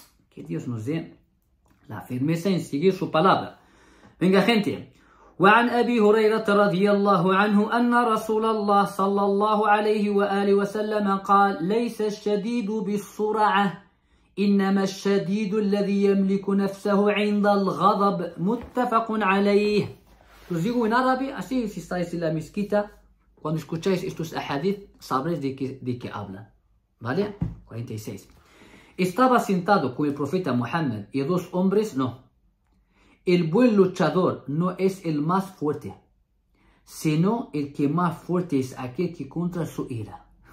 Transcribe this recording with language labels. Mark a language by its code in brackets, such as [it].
[es] Que Dios nos dé la firmeza en seguir su palabra. Venga, gente. [ar] وعن أبي هريرة رضي الله عنه أن رسول الله صلى الله عليه وآله وسلم قال ليس الشديد بالسرعة إنما الشديد الذي يملك نفسه عند الغضب متفق عليه. [es] Os digo en árabe, así si estáis en la mezquita, cuando escucháis estos ahadith, sabréis de qué habla. ¿Vale? 46. Estaba sentado con el profeta Muhammad y dos hombres, no. El buen luchador no es el más fuerte, sino el que más fuerte es aquel que contra su ira.